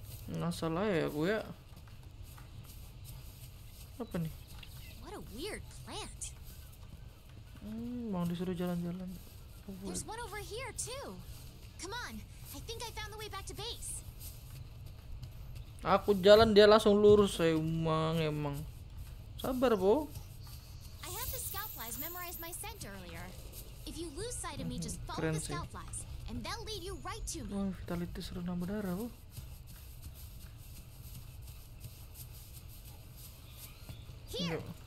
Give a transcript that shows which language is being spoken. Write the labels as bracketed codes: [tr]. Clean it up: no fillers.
[id] Nah, salah ya gue ya. Apa nih? [en] What a weird plant. [id] Mau disuruh jalan-jalan. [en] There's one over here too. Come on. I think I found the way back to base. [id] Aku jalan dia langsung lurus, emang. Sabar, Bo. [en] I had the scout flies memorize my scent earlier. If you lose sight of me, just follow the scout flies and they'll lead you right to me. [id] Vitality suruh nambah darah, Bo. [en] Here.